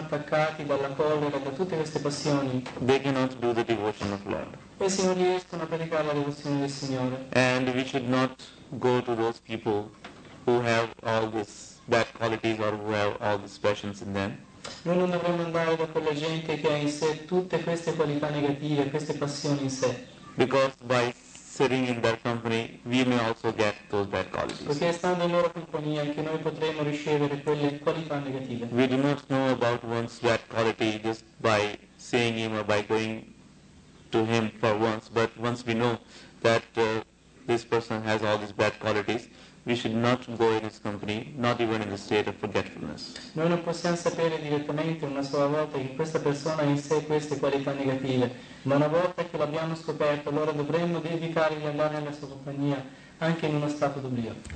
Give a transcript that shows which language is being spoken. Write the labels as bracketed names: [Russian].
[English] They cannot do the devotion of Lord. And we should not go to those people who have all these bad qualities or who have all these passions in them. [Italian] Noi non dovremmo andare da quella gente che ha in sé tutte queste qualità negative, queste passioni in sé. [English] Because by sitting in their company, we may also get those bad qualities. We do not know about one's bad quality just by seeing him or by going to him for once, but once we know that this person has all these bad qualities, we should not go in his company, not even in the state of forgetfulness. [Italian] Noi non possiamo sapere direttamente una sola volta che questa persona ha in sé queste qualità negative, ma una volta che l'abbiamo scoperto, allora dovremmo dedicare di andare nella sua compagnia anche in uno stato d'oblio.